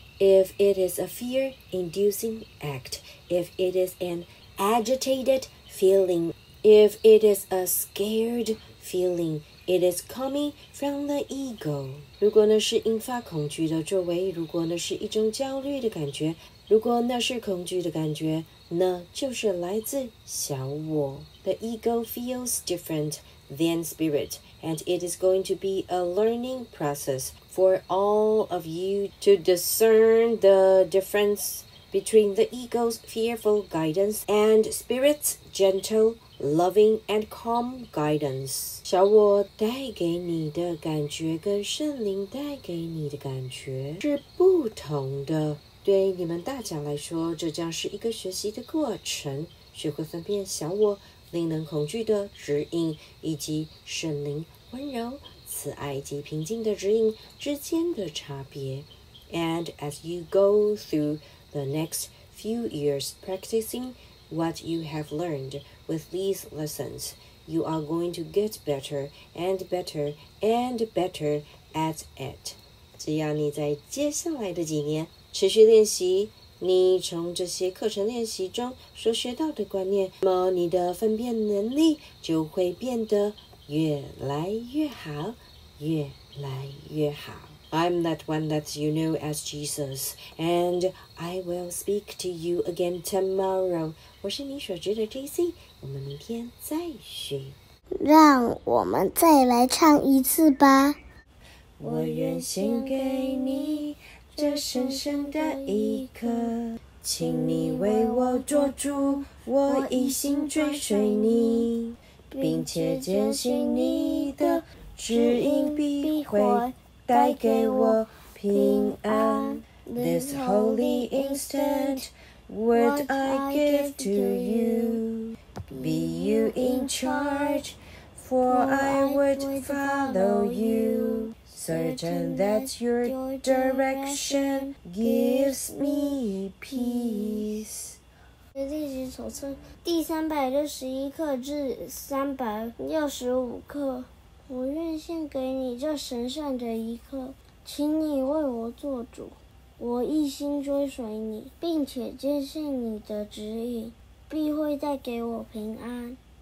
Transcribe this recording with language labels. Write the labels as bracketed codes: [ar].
[en] If it is a fear-inducing act, if it is an agitated feeling,If it is a scared feeling, it is coming from the ego. [zh] 如果那是引发恐惧的作为，如果那是一种焦虑的感觉，如果那是恐惧的感觉，那就是来自小我。 [en] The ego feels different than spirit, and it is going to be a learning process for all of you to discern the difference between the ego's fearful guidance and spirit's gentleLoving and calm guidance. [zh] 小我带给你的感觉跟圣灵带给你的感觉是不同的。对你们大家来说，这将是一个学习的过程，学会分辨小我令人恐惧的指引以及圣灵温柔、慈爱及平静的指引之间的差别。 [en] And as you go through the next few years practicing what you have learnedWith these lessons, you are going to get better and better and better at it. [zh] 只要你在接下来的几年持续练习，你从这些课程练习中所学到的观念，那么你的分辨能力就会变得越来越好，越来越好。 [en] I'm that one that you know as Jesus, and I will speak to you again tomorrow. [zh] 我是你所知的 JC, 我们明天再续。让我们再来唱一次吧。我愿献给你这深深的一刻，请你为我做主，我一心追随你，并且坚信你的指引必会带给我平安。 [en] This holy instant word I give to you, be you in charge, for I would follow you, certain that your direction gives me peace. [zh] 这历史手册第361课至365课，我愿献给你这神圣的一刻，请你为我做主，我一心追随你，并且坚信你的指引必会带给我平安。